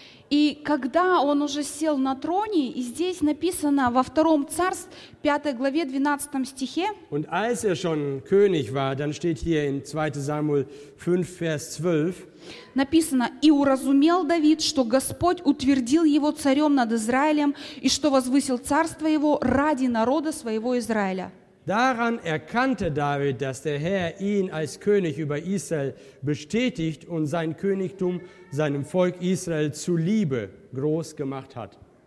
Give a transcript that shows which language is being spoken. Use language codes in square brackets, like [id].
[ru] И когда он уже сел на троне, и здесь написано во втором царств, 5 главе, 12 стихе. [de] Und als er schon König war, dann steht hier in 2 Samuel 5, Vers 12. [ru] Написано, и уразумел Давид, что Господь утвердил его царем над Израилем, и что возвысил царство его ради народа своего Израиля. [de] Daran erkannte David, dass der Herr ihn als König über Israel bestätigt und sein Königtum seinem Volk Israel zuliebe groß gemacht hat.